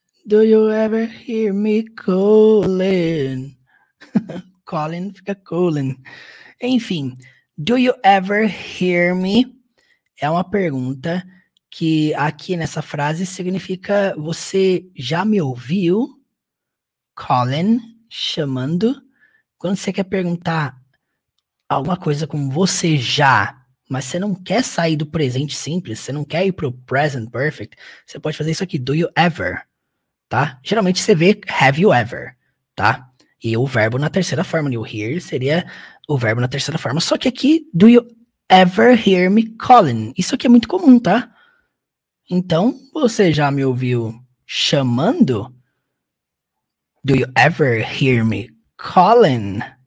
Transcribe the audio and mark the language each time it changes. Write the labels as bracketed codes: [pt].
[en] Do you ever hear me calling? [pt] Colin fica Colin. Enfim, [en] do you ever hear me? [pt] É uma pergunta que aqui nessa frase significa você já me ouviu? Colin, chamando. Quando você quer perguntar alguma coisa com você já, mas você não quer sair do presente simples, você não quer ir pro present perfect, você pode fazer isso aqui, [en] do you ever? [pt] Tá? Geralmente você vê have you ever, tá? E o verbo na terceira forma, you hear, seria o verbo na terceira forma. Só que aqui, [en] do you ever hear me calling? [pt] Isso aqui é muito comum, tá? Então, você já me ouviu chamando? [en] Do you ever hear me calling?